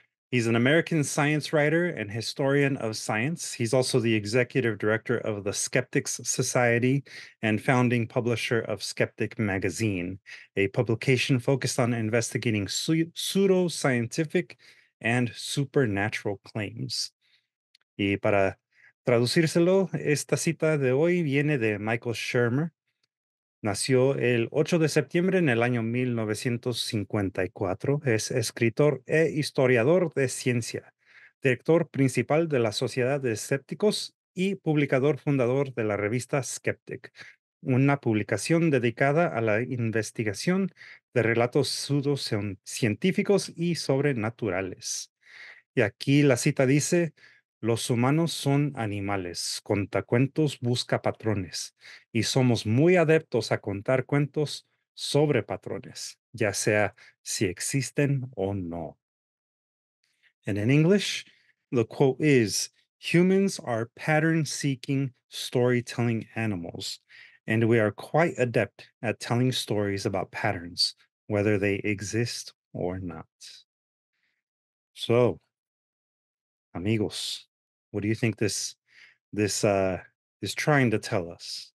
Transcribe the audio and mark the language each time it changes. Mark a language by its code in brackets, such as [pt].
[en] He's an American science writer and historian of science. He's also the executive director of the Skeptics Society and founding publisher of Skeptic Magazine, a publication focused on investigating pseudoscientific and supernatural claims. [es] Y para traducírselo, esta cita de hoy viene de Michael Shermer. Nació el 8 de septiembre en el año 1954. Es escritor e historiador de ciencia, director principal de la Sociedad de Escépticos y publicador fundador de la revista Skeptic, una publicación dedicada a la investigación de relatos pseudocientíficos y sobrenaturales. Y aquí la cita dice: los humanos son animales, cuenta cuentos, busca patrones, y somos muy adeptos a contar cuentos sobre patrones, ya sea si existen o no. [en] And in English, the quote is, humans are pattern-seeking storytelling animals, and we are quite adept at telling stories about patterns, whether they exist or not. So, amigos, what do you think this is trying to tell us?